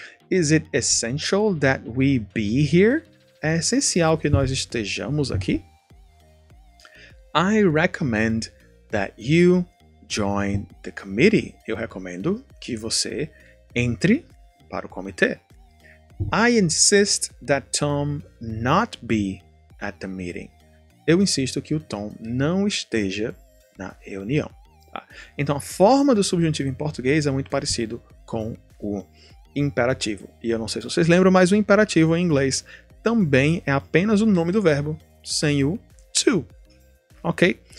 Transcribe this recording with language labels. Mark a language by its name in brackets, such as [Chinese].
[English] Is it essential that we be here? [Portuguese] É essencial que nós estejamos aqui? [English] I recommend that you join the committee. [Portuguese] Eu recomendo que você entre para o comitê. [English] I insist that Tom not be at the meeting. [Portuguese] Eu insisto que o Tom não esteja na reunião. Tá? Então, a forma do subjuntivo em português é muito parecido com o imperativo. E eu não sei se vocês lembram, mas o imperativo em inglês também é apenas o nome do verbo, sem o to. Ok?